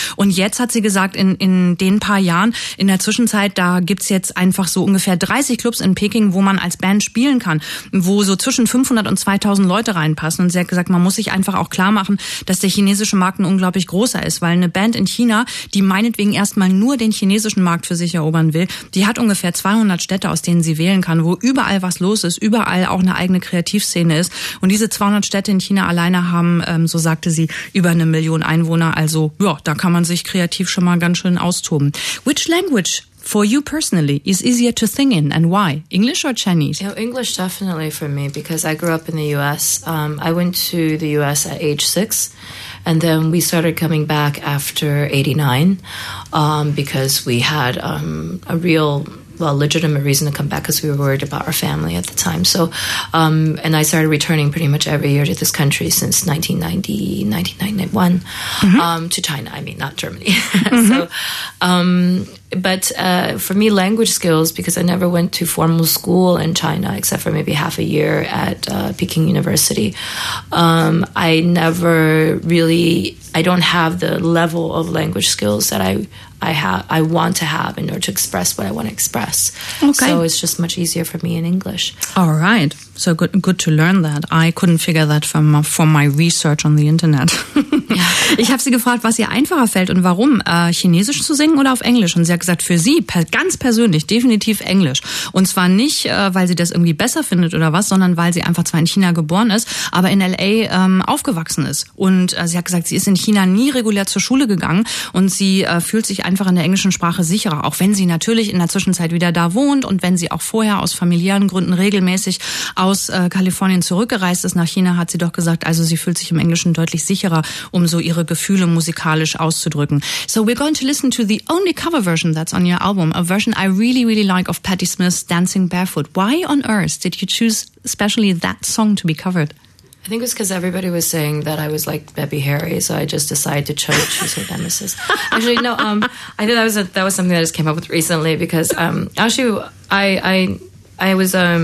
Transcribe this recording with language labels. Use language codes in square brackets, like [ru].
[de] Und jetzt hat sie gesagt, in den paar Jahren, in der Zwischenzeit, da gibt's jetzt einfach so ungefähr 30 Clubs in Peking, wo man als Band spielen kann, wo so zwischen 500 und 2000 Leute reinpassen. Und sie hat gesagt, man muss sich einfach auch klar machen, dass der chinesische Markt ein unglaublich großer ist, weil eine Band in China, die meinetwegen erstmal nur den chinesischen Markt für sich erobern will, die hat ungefähr 200 Städte, aus denen sie wählen kann, wo überall was los ist, überall auch eine eigene Kreativszene ist. Und diese 200 Städte in China alleine haben, so sagte sie, über 1 Million Einwohner. Also ja, da kann man sich kreativ schon mal ganz schön austoben. [en] Which language for you personally is easier to sing in and why? English or Chinese? Yeah, English definitely for me because I grew up in the US. I went to the US at age 6 and then we started coming back after 89 because we had a real... Well, legitimate reason to come back because we were worried about our family at the time. So, and I started returning pretty much every year to this country since 1990, 1991, mm-hmm. To China, I mean, not Germany. Mm-hmm. So, but for me, language skills, because I never went to formal school in China, except for maybe half a year at Peking University, I don't have the level of language skills that I want to have in order to express what I want to express. Okay. So it's just much easier for me in English. All right. So good to learn that. I couldn't figure that from my research on the internet. [de] Ich habe sie gefragt, was ihr einfacher fällt und warum, Chinesisch zu singen oder auf Englisch? Und sie hat gesagt, für sie ganz persönlich definitiv Englisch. Und zwar nicht, weil sie das irgendwie besser findet oder was, sondern weil sie einfach zwar in China geboren ist, aber in L.A. Aufgewachsen ist. Und sie hat gesagt, sie ist in China nie regulär zur Schule gegangen und sie fühlt sich einfach in der englischen Sprache sicherer, auch wenn sie natürlich in der Zwischenzeit wieder da wohnt und wenn sie auch vorher aus familiären Gründen regelmäßig aus Kalifornien zurückgereist ist nach China, hat sie doch gesagt, also sie fühlt sich im Englischen deutlich sicherer, um so ihre Gefühle musikalisch auszudrücken. [en] So we're going to listen to the only cover version that's on your album, a version I really, really like of Patti Smith's Dancing Barefoot. Why on earth did you choose especially that song to be covered? I think it was because everybody was saying that I was like Debbie Harry, so I just decided to choose her nemesis. Actually, no, I think that was something that I just came up with recently because actually I was